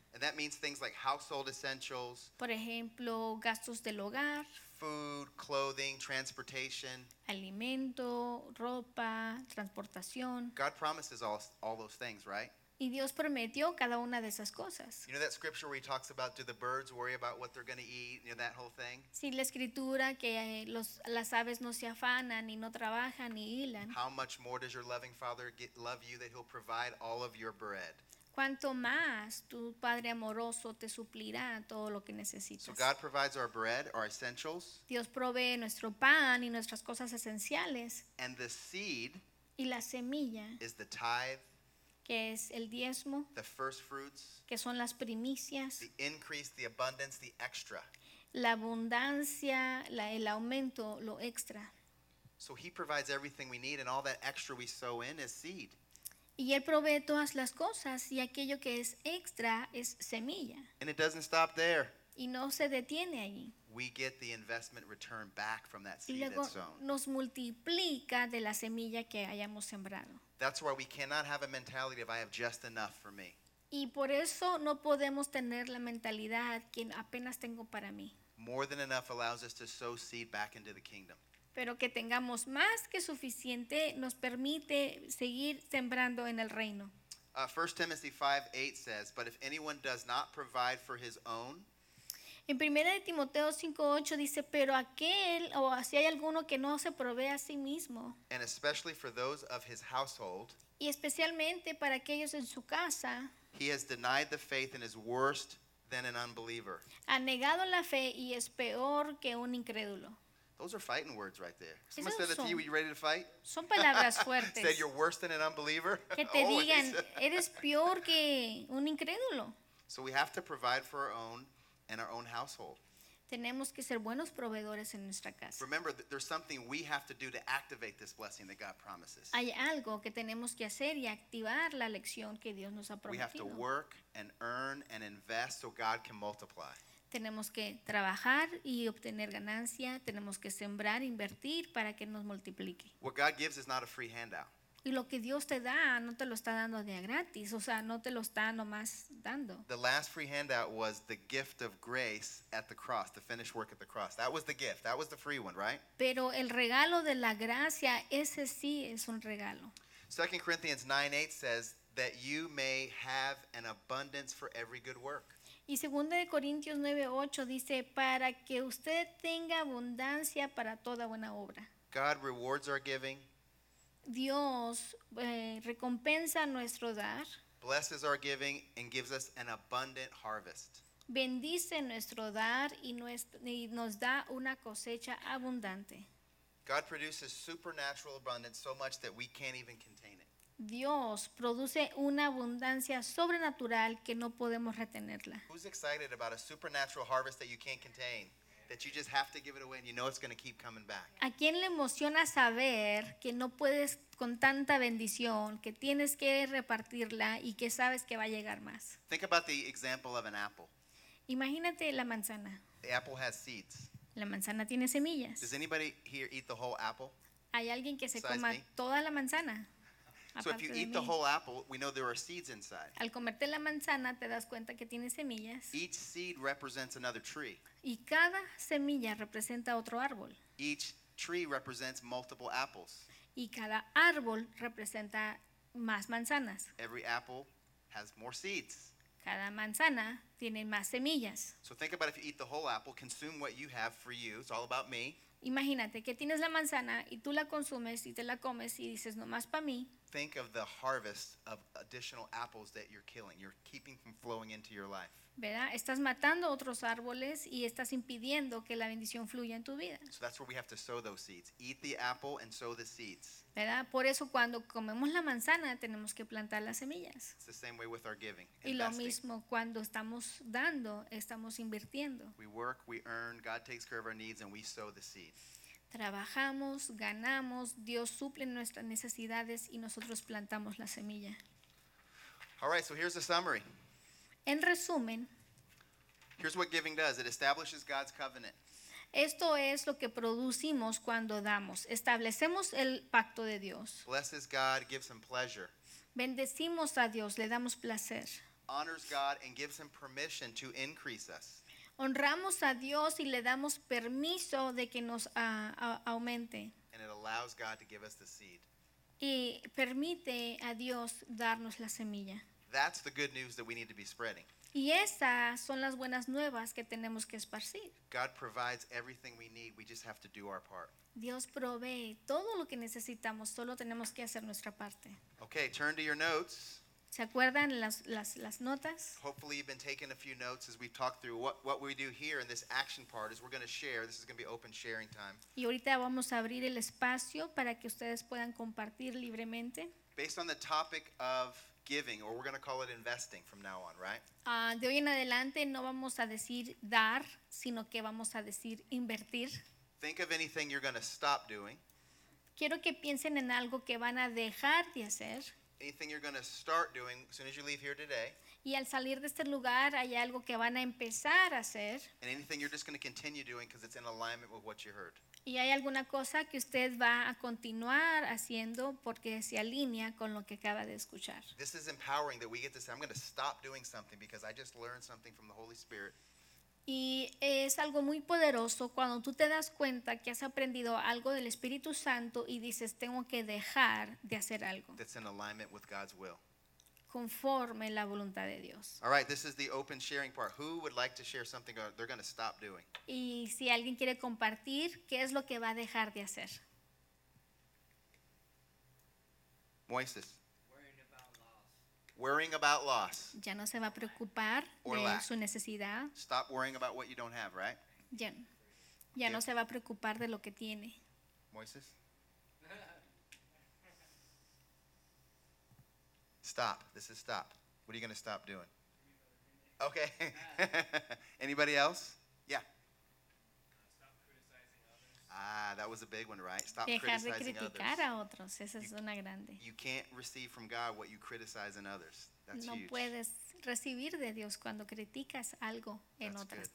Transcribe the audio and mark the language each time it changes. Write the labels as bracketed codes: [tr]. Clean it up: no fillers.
[en] And that means things like household essentials. [es] Por ejemplo, gastos del hogar. [en] Food, clothing, transportation. [es] Alimento, ropa, transportación. [en] God promises all those things, right? [es] Y Dios prometió cada una de esas cosas. [en] You know that scripture where he talks about, do the birds worry about what they're going to eat? You know that whole thing? [es] Sí, la escritura que las aves no se afanan y no trabajan y hilan. [en] How much more does your loving father love you that he'll provide all of your bread? [es] ¿Cuánto más tu padre amoroso te suplirá todo lo que necesitas? [en] So God provides our bread, our essentials. [es] Dios provee nuestro pan y nuestras cosas esenciales. [en] And the seed. [es] Y la semilla. [en] Is the tithe. [es] Que es el diezmo, [en] the first fruits, [es] que son las primicias, [en] the increase, the abundance, the extra, [es] la abundancia, el aumento, lo extra. [en] So he provides everything we need, and all that extra we sow in is seed. [es] Y él provee todas las cosas, y aquello que es extra es semilla. [en] And it doesn't stop there. [es] Y no se detiene allí. [en] We get the investment return back from that seed [es] y luego [en] that's sown. [es] Nos multiplica de la semilla que hayamos sembrado. [en] That's why we cannot have a mentality of I have just enough for me. [es] Y por eso no podemos tener la mentalidad que apenas tengo para mí. [en] More than enough allows us to sow seed back into the kingdom. [es] Pero que tengamos más que suficiente nos permite seguir sembrando en el reino. [en] 1 Timothy 5:8 says, but if anyone does not provide for his own. [es] En 1 Timoteo 5:8 dice, pero aquel o si hay alguno que no se provee a sí mismo. [en] And especially for those of his household. [es] Y especialmente para aquellos en su casa. [en] He has denied the faith and is worse than an unbeliever. [es] Ha negado la fe y es peor que un incrédulo. [en] Those are fighting words right there. Someone said that to you, are you ready to fight? [es] Son palabras fuertes. [en] Said you're worse than an unbeliever? [es] Que te digan, eres peor que un incrédulo. [en] So we have to provide for our own. And our own household. [es] Tenemos que ser buenos proveedores en nuestra casa. [en] Remember, there's something we have to do to activate this blessing that God promises. [es] Hay algo que tenemos que hacer y activar la lección que Dios nos ha prometido. [en] We have to work and earn and invest so God can multiply. [es] Tenemos que trabajar y obtener ganancia. Tenemos que sembrar, invertir para que nos multiplique. [en] What God gives is not a free handout. [es] Y lo que Dios te da no te lo está dando de gratis, o sea, no te lo está nomás dando. [en] The last free handout was the gift of grace at the cross, the finished work at the cross. That was the gift. That was the free one, right? [es] Pero el regalo de la gracia, ese sí es un regalo. [en] 2 Corinthians 9:8 says that you may have an abundance for every good work. [es] Y 2 Corintios 9:8 dice para que usted tenga abundancia para toda buena obra. [en] God rewards our giving. [es] Dios recompensa nuestro dar. [en] Blesses our giving and gives us an abundant harvest. [es] Bendice nuestro dar y nos da una cosecha abundante. [en] God produces supernatural abundance so much that we can't even contain it. [es] Dios produce una abundancia sobrenatural que no podemos retenerla. [en] Who's excited about a supernatural harvest that you can't contain? That you just have to give it away and you know it's going to keep coming back. [es] ¿A quién le emociona saber que no puedes con tanta bendición, que tienes que repartirla y que sabes que va a llegar más? [en] Think about the example of an apple. [es] Imagínate la manzana. [en] The apple has seeds. [es] La manzana tiene semillas. [en] Does anybody here eat the whole apple? [es] ¿Hay alguien que se coma toda la manzana? [en] So if you eat the whole apple, we know there are seeds inside. [es] Al comerte la manzana, te das cuenta que tiene semillas. [en] Each seed represents another tree. [es] Y cada semilla representa otro árbol. [en] Each tree represents multiple apples. [es] Y cada árbol representa más manzanas. [en] Every apple has more seeds. [es] Cada manzana tiene más semillas. [en] So think about if you eat the whole apple, consume what you have for you. It's all about me. [es] Imagínate que tienes la manzana y tú la consumes y te la comes y dices nomás para mí. [en] Think of the harvest of additional apples that you're killing. You're keeping from flowing into your life. [es] ¿Verdad? Estás matando otros árboles y estás impidiendo que la bendición fluya en tu vida. [en] So that's where we have to sow those seeds. Eat the apple and sow the seeds. [es] ¿Verdad? Por eso cuando comemos la manzana tenemos que plantar las semillas. [en] It's the same way with our giving. [es] Y lo mismo cuando estamos dando, estamos invirtiendo. [en] We work, we earn, God takes care of our needs and we sow the seeds. [es] Trabajamos, ganamos, Dios suple nuestras necesidades y nosotros plantamos la semilla. [en] All right, so here's the summary. [es] En resumen, [en] here's what giving does. It establishes God's covenant. [es] Esto es lo que producimos cuando damos. Establecemos el pacto de Dios. [en] Blesses God, gives him pleasure. [es] Bendecimos a Dios, le damos placer. [en] Honors God and gives him permission to increase us. [es] Honramos a Dios y le damos permiso de que nos aumente. [en] And it allows God to give us the seed. [es] Y permite a Dios darnos la semilla. [en] That's the good news that we need to be spreading. [es] Y esas son las buenas nuevas que tenemos que esparcir. [en] God provides everything we need. We just have to do our part. [es] Dios provee todo lo que necesitamos. Solo tenemos que hacer nuestra parte. [en] Okay, turn to your notes. [es] ¿Se acuerdan las notas? [en] Hopefully you've been taking a few notes as we've talked through. What we do here in this action part is we're going to share. This is going to be open sharing time. [es] Y ahorita vamos a abrir el espacio para que ustedes puedan compartir libremente. [en] Based on the topic of giving, or we're going to call it investing from now on, right? [es] De hoy en adelante no vamos a decir dar, sino que vamos a decir invertir. [en] Think of anything you're going to stop doing. [es] Quiero que piensen en algo que van a dejar de hacer. [en] Anything you're going to start doing as soon as you leave here today. [es] Y al salir de este lugar hay algo que van a empezar a hacer. [en] And anything you're just going to continue doing because it's in alignment with what you heard. [es] Y hay alguna cosa que usted va a continuar haciendo porque se alinea con lo que acaba de escuchar. [en] This is empowering that we get to say, I'm going to stop doing something because I just learned something from the Holy Spirit. [es] Y es algo muy poderoso cuando tú te das cuenta que has aprendido algo del Espíritu Santo y dices, tengo que dejar de hacer algo. [en] That's in alignment with God's will. [es] Conforme la voluntad de Dios. [en] All right, this is the open sharing part. Who would like to share something they're going to stop doing? [es] Y si alguien quiere compartir, ¿qué es lo que va a dejar de hacer? Moises. [en] Worrying about loss. [es] Ya no se va a preocupar de su necesidad. [en] Stop worrying about what you don't have, right? [es] Ya no se va a preocupar de lo que tiene. Moises. [en] Stop. This is stop. What are you going to stop doing? Okay. Anybody else? Yeah. Ah, that was a big one, right? Stop criticizing others. [es] Dejar de criticar a otros. Esa es una grande. [en] You can't receive from God what you criticize in others. That's [es] no [en] huge. [es] No puedes recibir de Dios cuando criticas algo en [en] That's [es] otras [en] good.